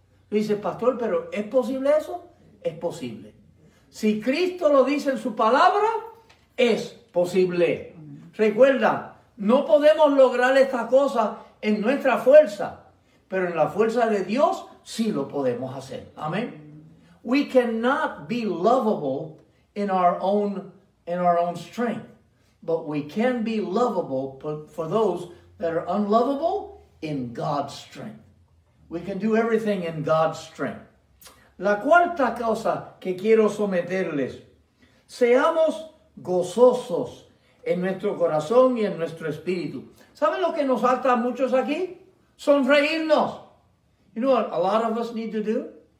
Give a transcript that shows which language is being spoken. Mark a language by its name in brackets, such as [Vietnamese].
[Spanish] Dice el pastor, pero ¿es posible eso? Es posible. Si Cristo lo dice en su palabra, es posible. Recuerda, no podemos lograr esta cosa en nuestra fuerza, pero en la fuerza de Dios sí lo podemos hacer. Amén. [English] We cannot be lovable in our own strength, but we can be lovable for those that are unlovable in God's strength. We can do everything in God's strength. [Spanish] La cuarta cosa que quiero someterles, seamos gozosos en nuestro corazón y en nuestro espíritu. ¿Saben lo que nos falta a muchos aquí? Sonreírnos. [English] You know what a lot of us need to do?